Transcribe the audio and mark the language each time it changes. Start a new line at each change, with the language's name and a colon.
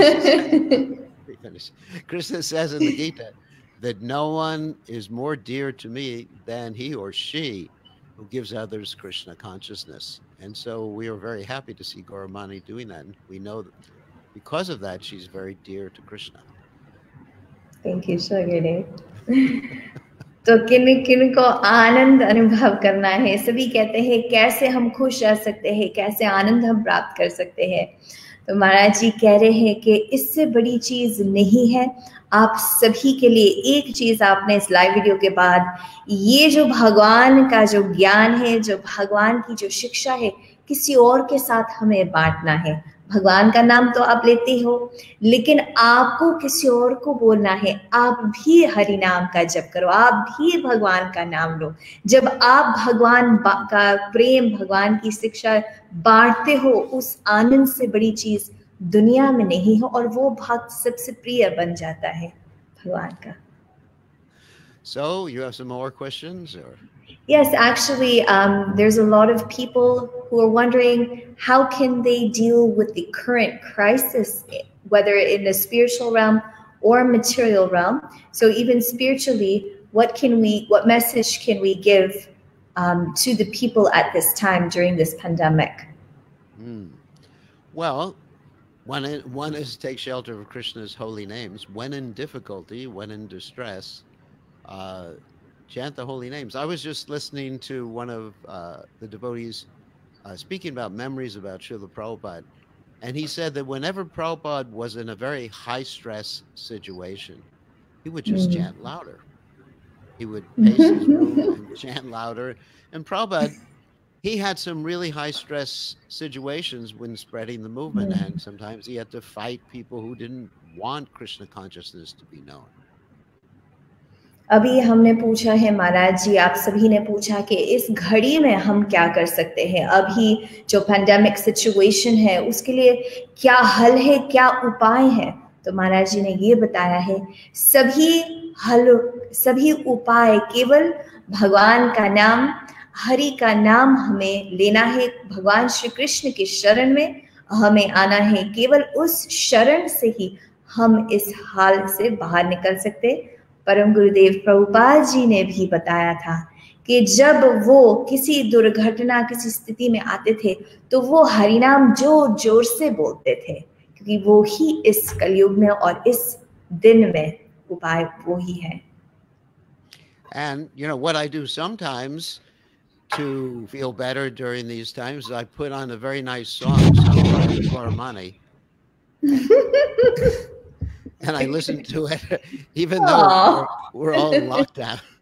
English: Krishna says in the Gita that no one is more dear to me than he or she who gives others Krishna consciousness. And so we are very happy to see Gaura Mani doing that. And we know that because of that, she's very dear to Krishna. Thank you, Shagiri.
Hindi: तो किन किन को आनंद अनुभव करना है सभी कहते हैं कैसे हम खुश रह सकते हैं कैसे आनंद हम प्राप्त कर सकते हैं तो महाराज जी कह रहे हैं कि इससे बड़ी चीज नहीं है आप सभी के लिए एक चीज आपने इस लाइव वीडियो के बाद ये जो भगवान का जो ज्ञान है जो भगवान की जो शिक्षा है किसी और के साथ हमें बांटना है भगवान का नाम तो आप लेते हो लेकिन आपको किसी और को बोलना है आप भी हरि नाम का जप करो आप भी भगवान का नाम लो जब आप भगवान का प्रेम भगवान की शिक्षा बांटते हो उस आनंद से बड़ी चीज दुनिया में नहीं हो और वो भक्त सबसे प्रिय बन जाता है भगवान का
English: So you have some more questions or Yes, actually, there's a lot of people who are wondering how can they deal with the current crisis, whether in the spiritual realm or material realm. So even spiritually, what message can we give to the people at this time during this pandemic? Well, one is take shelter of Krishna's holy names. When in difficulty, when in distress, chant the holy names. I was just listening to one of the devotees speaking about memories about Srila Prabhupada, and he said that whenever Prabhupada was in a very high-stress situation, he would just chant louder. He would pace his room and chant louder. And Prabhupada, he had some really high-stress situations when spreading the movement, and sometimes he had to fight people who didn't want Krishna consciousness to be known.
Hindi: अभी हमने पूछा है महाराज जी आप सभी ने पूछा कि इस घड़ी में हम क्या कर सकते हैं अभी जो पेंडेमिक सिचुएशन है उसके लिए क्या हल है क्या उपाय है तो महाराज जी ने ये बताया है सभी हल सभी उपाय केवल भगवान का नाम हरि का नाम हमें लेना है भगवान श्री कृष्ण के शरण में हमें आना है केवल उस शरण से ही हम इस हाल से बाहर निकल सकते परम गुरुदेव प्रभुपाद जी ने भी बताया था कि जब वो किसी दुर्घटना किसी स्थिति में आते थे तो वो हरिनाम जोर जोर से बोलते थे क्योंकि वो ही इस कलयुग में और इस दिन में उपाय वो ही है
English: And you know what I do sometimes to feel better during these times is I put on a very nice song Gaura Mani And I listen to it, even though we're all in lockdown.